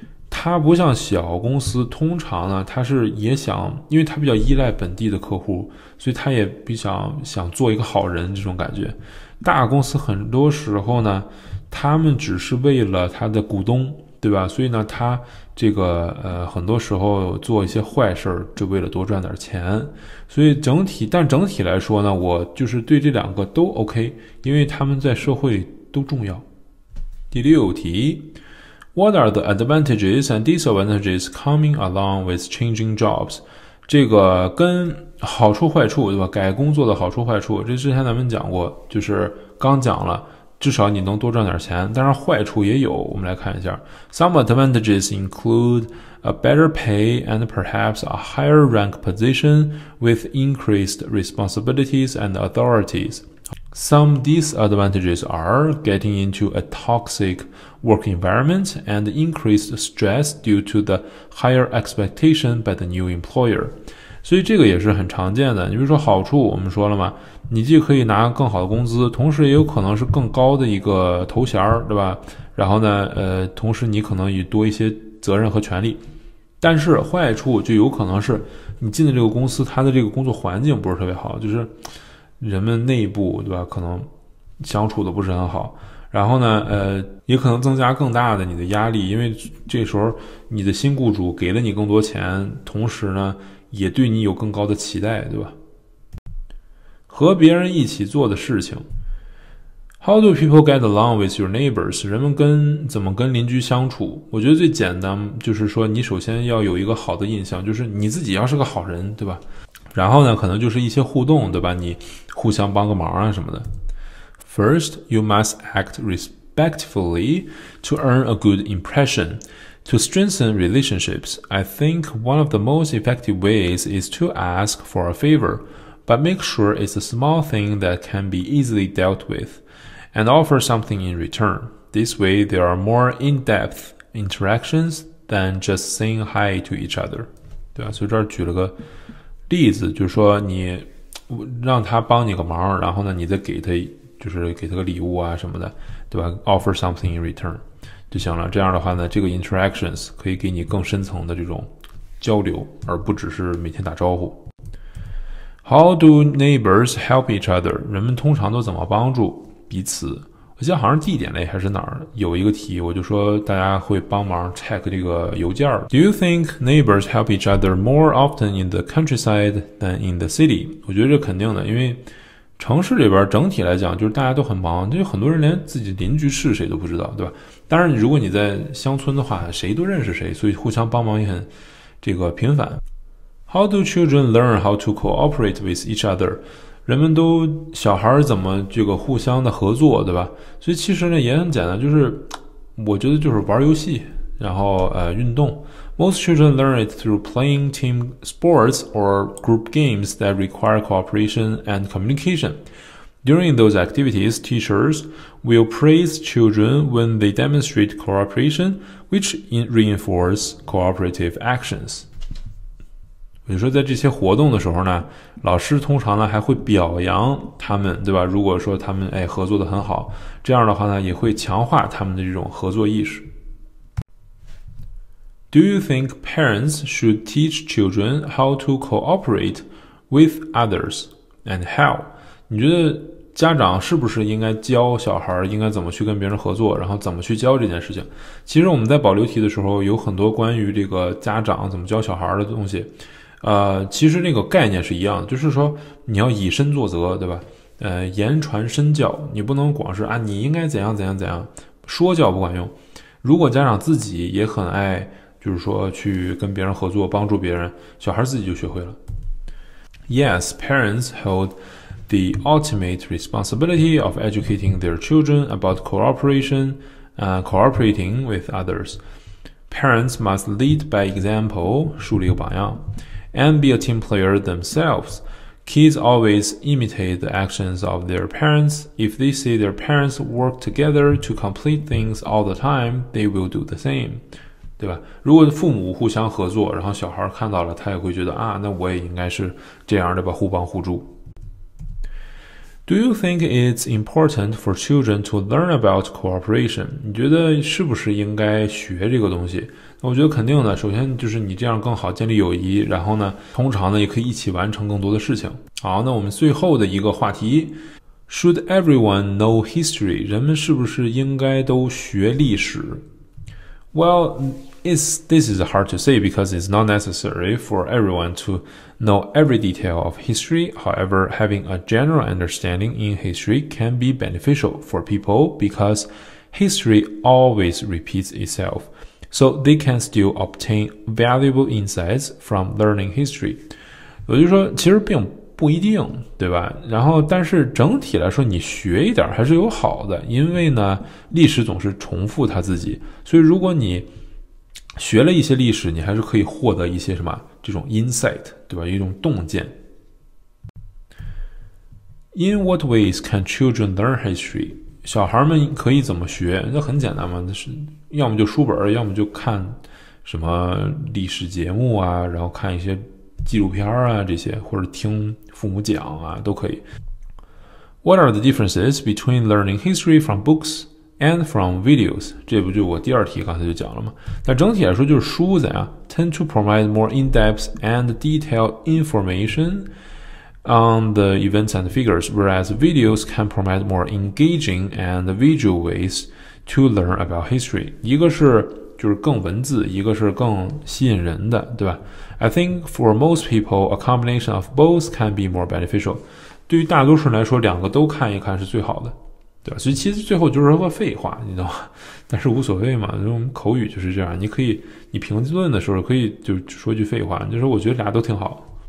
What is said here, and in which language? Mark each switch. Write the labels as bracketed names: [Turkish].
[Chinese] 它不像小公司通常呢它是也想因为它比较依赖本地的客户所以它也比较 想做一个好人这种感觉大公司很多时候呢他们只是为了他的股东对吧所以呢他这个很多时候做一些坏事就为了多赚点钱。所以整体来说呢我就是对这两个都 OK, 因为他们在社会都重要。第六题 [English] ,What are the advantages and disadvantages coming along with changing jobs? [Chinese] 这个跟好处坏处对吧改工作的好处坏处这之前咱们讲过就是刚讲了。至少你能多赚点钱但是坏处也有我们来看一下 [English] Some advantages include a better pay and perhaps a higher rank position with increased responsibilities and authorities Some disadvantages are getting into a toxic work environment and increased stress due to the higher expectation by the new employer. [Chinese] 所以这个也是很常见的。你比如说好处，我们说了嘛，你既可以拿更好的工资，同时也有可能是更高的一个头衔，对吧？然后呢，同时你可能也多一些责任和权利。但是坏处就有可能是你进的这个公司，它的这个工作环境不是特别好，就是人们内部，对吧，可能相处的不是很好。然后呢，也可能增加更大的你的压力，因为这时候你的新雇主给了你更多钱，同时呢也对你有更高的期待，对吧？和别人一起做的事情。 [English] How do people get along with your neighbors? [Chinese] 人们怎么跟邻居相处？我觉得最简单就是说，你首先要有一个好的印象，就是你自己要是个好人，对吧？然后呢，可能就是一些互动，对吧？你互相帮个忙啊什么的。 [English] First, you must act respectfully to earn a good impression. To strengthen relationships, I think one of the most effective ways is to ask for a favor, but make sure it's a small thing that can be easily dealt with, and offer something in return. This way, there are more in-depth interactions than just saying hi to each other. [Chinese] 对啊，所以这儿举了个例子，就是说你让他帮你个忙，然后呢，你再给他，就是给他个礼物啊什么的，对吧？ [English] Offer something in return. [Chinese] 就行了，这样的话呢，这个 interactions 可以给你更深层的这种交流，而不只是每天打招呼。 [English] How do neighbors help each other? [Chinese] 人们通常都怎么帮助彼此？我记得好像地点类还是哪儿有一个题，我就说大家会帮忙 check 这个邮件。 [English] Do you think neighbors help each other more often in the countryside than in the city? [Chinese] 我觉得这肯定的，因为城市里边整体来讲就是大家都很忙，就很多人连自己邻居是谁都不知道，对吧？当然如果你在乡村的话，谁都认识谁，所以互相帮忙也很这个频繁。 [English] How do children learn how to cooperate with each other? [Chinese] 人们都小孩怎么这个互相的合作，对吧？所以其实呢也很简单，就是我觉得就是玩游戏，然后运动。 [English] Most children learn it through playing team sports or group games that require cooperation and communication. During those activities, teachers will praise children when they demonstrate cooperation, which reinforce cooperative actions. [Chinese] 比如说在这些活动的时候呢，老师通常呢还会表扬他们，对吧？如果说他们合作得很好，这样的话呢也会强化他们的这种合作意识。 [English] Do you think parents should teach children how to cooperate with others and how? [Chinese] 你觉得家长是不是应该教小孩应该怎么去跟别人合作，然后怎么去教这件事情？其实我们在保留题的时候有很多关于这个家长怎么教小孩的东西，其实那个概念是一样的，就是说你要以身作则，对吧？言传身教，你不能光是啊你应该怎样怎样怎样，说教不管用。如果家长自己也很爱就是说去跟别人合作帮助别人，小孩自己就学会了。 [English] Yes, parents holdThe ultimate responsibility of educating their children about cooperation, cooperating with others. Parents must lead by example, [Chinese] 树立个榜样, [English] and be a team player themselves. Kids always imitate the actions of their parents. If they see their parents work together to complete things all the time, they will do the same. [Chinese] 对吧？如果父母互相合作，然后小孩看到了，他也会觉得啊，那我也应该是这样的吧，互帮互助。 [English] Do you think it's important for children to learn about cooperation? [Chinese] 你觉得是不是应该学这个东西？那我觉得肯定的，首先就是你这样更好建立友谊，然后呢，通常呢也可以一起完成更多的事情。好，那我们最后的一个话题， [English] Should everyone know history? [Chinese] 人们是不是应该都学历史？ [English] Well, this is hard to say because it's not necessary for everyone toKnow every detail of history. However, having a general understanding in history can be beneficial for people because history always repeats itself. So they can still obtain valuable insights from learning history. [Chinese] 我就说其实并不一定，对吧？然后但是整体来说你学一点还是有好的，因为呢历史总是重复它自己。所以如果你学了一些历史，你还是可以获得一些什么这种 insight, 对吧？一种洞见。 [English] In what ways can children learn history? [Chinese] 小孩们可以怎么学？那很简单嘛，那是要么就书本，要么就看什么历史节目啊，然后看一些纪录片啊，这些或者听父母讲啊，都可以。 [English] What are the differences between learning history from books and from videos? [Chinese] 这不就我第二题刚才就讲了吗？那整体来说就是书子啊 [English] tend to provide more in-depth and detailed information on the events and figures, whereas videos can provide more engaging and visual ways to learn about history. [Chinese] 一个是就是更文字，一个是更吸引人的，对吧？ [English] I think for most people, a combination of both can be more beneficial. [Chinese] 对于大多数人来说，两个都看一看是最好的，对吧？所以其实最后就是个废话，你知道吗？但是无所谓嘛，这种口语就是这样。你可以，你评论的时候可以就说句废话，就是我觉得俩都挺好。